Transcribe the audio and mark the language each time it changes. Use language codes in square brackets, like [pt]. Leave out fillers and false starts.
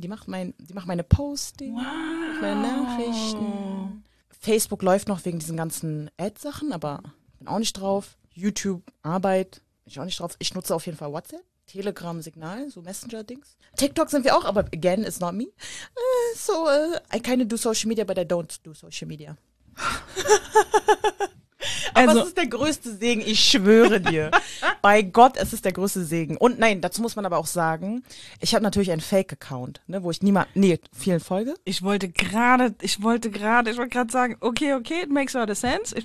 [de] Die macht meine Posting, wow, meine Nachrichten. Facebook läuft noch wegen diesen ganzen Ad-Sachen, aber bin auch nicht drauf. YouTube, Arbeit, bin ich auch nicht drauf. Ich nutze auf jeden Fall WhatsApp, Telegram, Signal, so Messenger-Dings. TikTok sind wir auch, aber [en] again, it's not me. I kind of do social media, but I don't do social media. [de] Aber also, es ist der größte Segen, ich schwöre dir. Bei Gott, es ist der größte Segen. Und nein, dazu muss man aber auch sagen, ich habe natürlich einen Fake-Account, ne, wo ich vielen folge. Ich wollte gerade sagen, okay, [en] it makes a lot of sense.